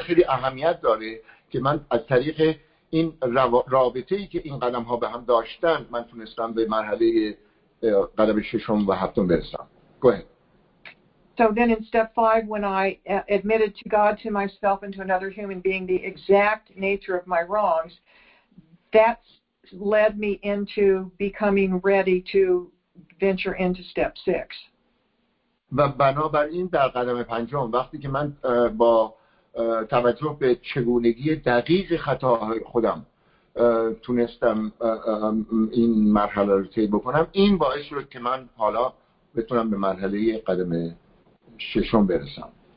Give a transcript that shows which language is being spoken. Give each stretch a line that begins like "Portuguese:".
Persian: خیلی اهمیت داره که من از طریق این رابطه‌ای که این قدم‌ها به هم داشتن، من تونستم به مرحله قدم ششم و هفتم برسم.
English: Go ahead. So then in step five, when I admitted to God, to myself and to another human being the exact nature of my wrongs, that's led me into becoming ready to venture into step six.
Persian: و بنابراین در قدم پنجم، وقتی که من با توجه به چگونگی دقیق خطاهای خودم تونستم این مرحله رو طی بکنم، این باعث شد که من حالا بتونم به مرحله قدم ششم برسم.